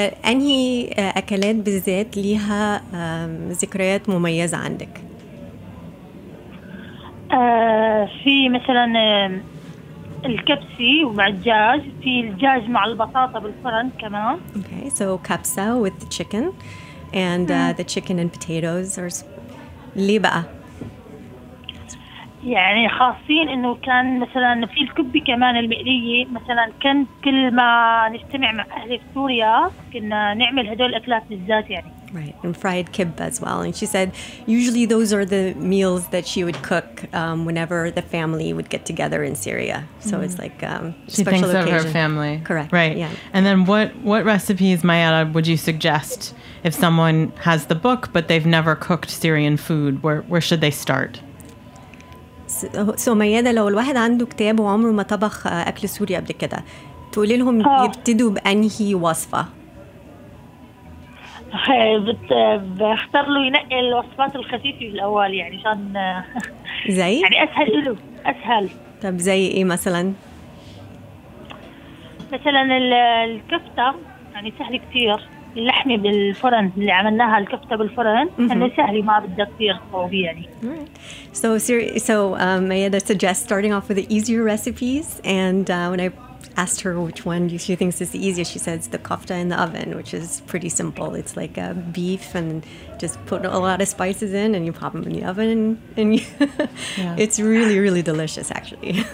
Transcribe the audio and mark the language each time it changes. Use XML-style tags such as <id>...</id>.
<ar>أنهي أكلات بالذات ليها ذكريات مميزة عندك؟ في مثلاً الكبسي ومع الدجاج، في الدجاج مع البطاطا بالفرن كمان.</ar> <en>Okay, so kabsa with the chicken, and the chicken and potatoes are</en> <ar>ليه بقى؟ يعني خاصين إنه كان مثلاً في الكبة كمان المقلية مثلاً كان كل ما نجتمع مع أهلي في سوريا كنا نعمل هدول الأكلات بالذات يعني.</ar> <en>Right, and fried kibbeh as well. And she said usually those are the meals that she would cook whenever the family would get together in Syria. So it's like a special occasion. She thinks of her family. Correct. Right. Yeah. And then what recipes, Mayada, would you suggest if someone has the book but they've never cooked Syrian food, where should they start?</en> <ar>So Mayada, لو الواحد عنده كتاب وعمره ما طبخ أكل سوري قبل كده تقولي لهم يبتدوا بأنهي وصفة؟ بختار له ينقي الوصفات الخفيفة الأول يعني عشان زي يعني أسهل له أسهل. طب زي إيه مثلا؟ مثلا الكفتة يعني سهل كتير, اللحمة بالفرن اللي عملناها الكفتة بالفرن إنه سهل ما بده كتير صعوبة يعني.</ar> <en>So Mayada suggests starting off with the easier recipes, and when I asked her which one she thinks is the easiest, she says the kofta in the oven, which is pretty simple. It's like a beef and just put a lot of spices in and you pop them in the oven and you it's really, really delicious, actually.</en>